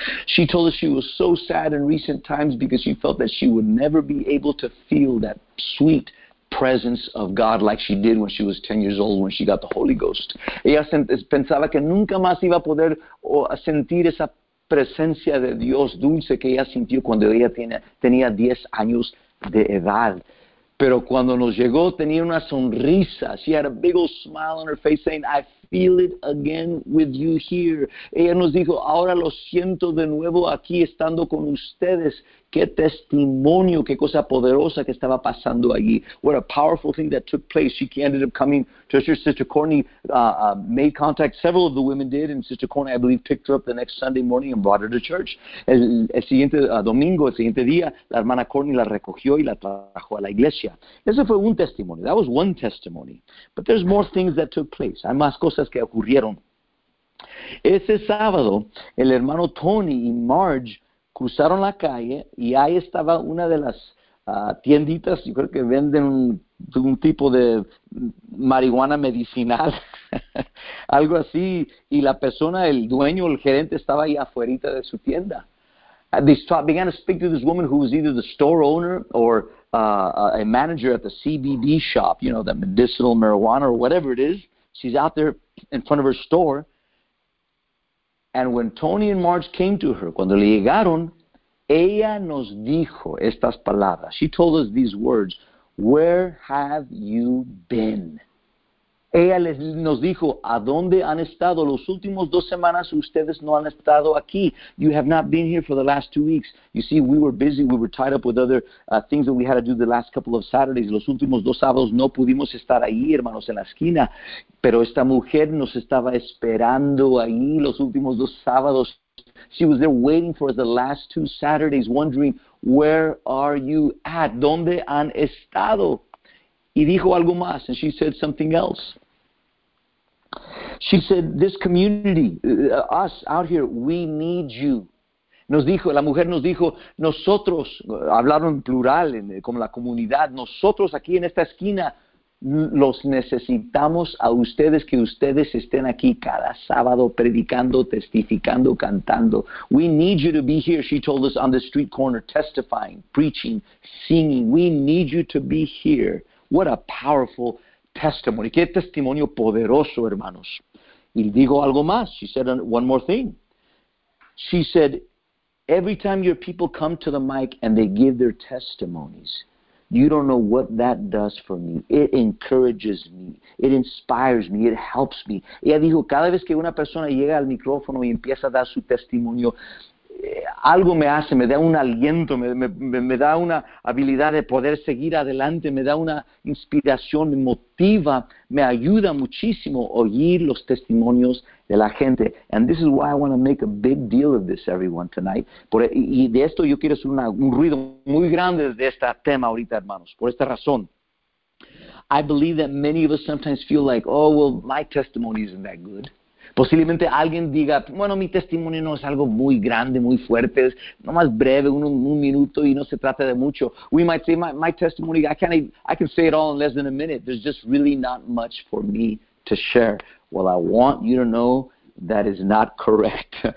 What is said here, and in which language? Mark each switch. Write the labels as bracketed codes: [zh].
[en] She told us she was so sad in recent times because she felt that she would never be able to feel that sweet presence of God like she did when she was 10 years old when she got the Holy Ghost. [es] Ella pensaba que nunca más iba a poder sentir esa presencia de Dios dulce que ella sintió cuando ella tenía 10 años de edad. Pero cuando nos llegó, tenía una sonrisa. [en] She had a big old smile on her face saying, I feel it again with you here. [es] Ella nos dijo, ahora lo siento de nuevo aquí estando con ustedes. Qué testimonio, qué cosa poderosa que estaba pasando allí. [en] What a powerful thing that took place. She ended up coming to her sister Courtney, made contact. Several of the women did, and sister Courtney, I believe, picked her up the next Sunday morning and brought her to church. [es] El siguiente domingo, el siguiente día, la hermana Courtney la recogió y la trajo a la iglesia. Ese fue un testimonio. [en] That was one testimony. But there's more things that took place. [es] Hay más cosas que ocurrieron. Ese sábado, el hermano Tony y Marge cruzaron la calle y ahí estaba una de las tienditas, yo creo que venden un tipo de marihuana medicinal, algo así, y la persona, el dueño, el gerente, estaba ahí afuerita de su tienda. [en] Began to speak to this woman who was either the store owner or a manager at the CBD shop, you know, the medicinal marijuana or whatever it is. She's out there in front of her store. And when Tony and Marge came to her, [es] cuando le llegaron, ella nos dijo estas palabras. [en] She told us these words, where have you been? [es] Ella nos dijo, ¿a dónde han estado? Los últimos dos semanas ustedes no han estado aquí. [en] You have not been here for the last 2 weeks. You see, we were busy, we were tied up with other things that we had to do the last couple of Saturdays. [es] Los últimos dos sábados no pudimos estar ahí, hermanos, en la esquina. Pero esta mujer nos estaba esperando ahí los últimos dos sábados. [en] She was there waiting for us the last two Saturdays, wondering, where are you at? [es] ¿Dónde han estado? Y dijo algo más, [en] and she said something else. She said, this community, us out here, we need you. [es] Nos dijo, la mujer nos dijo, nosotros, hablaron en plural, como la comunidad, nosotros aquí en esta esquina, los necesitamos a ustedes, que ustedes estén aquí cada sábado predicando, testificando, cantando. [en] We need you to be here, she told us, on the street corner, testifying, preaching, singing. We need you to be here. What a powerful testimony. [es] Qué testimonio poderoso, hermanos. Y digo algo más. [en] She said one more thing. She said, every time your people come to the mic and they give their testimonies, you don't know what that does for me. It encourages me. It inspires me. It helps me. [es] Ella dijo, cada vez que una persona llega al micrófono y empieza a dar su testimonio, algo me hace, me da un aliento, me da una habilidad de poder seguir adelante, me da una inspiración, me motiva, me ayuda muchísimo oír los testimonios de la gente. [en] And this is why I want to make a big deal of this, everyone, tonight. [es] Y de esto yo quiero hacer un ruido muy grande de este tema ahorita, hermanos, por esta razón. [en] I believe that many of us sometimes feel like, oh, well, my testimony isn't that good. [es] Posiblemente alguien diga, bueno, mi testimonio no es algo muy grande, muy fuerte, es nomás breve, un minuto y no se trata de mucho. [en] We might say, my testimony, I can say it all in less than a minute. There's just really not much for me to share. Well, I want you to know that is not correct.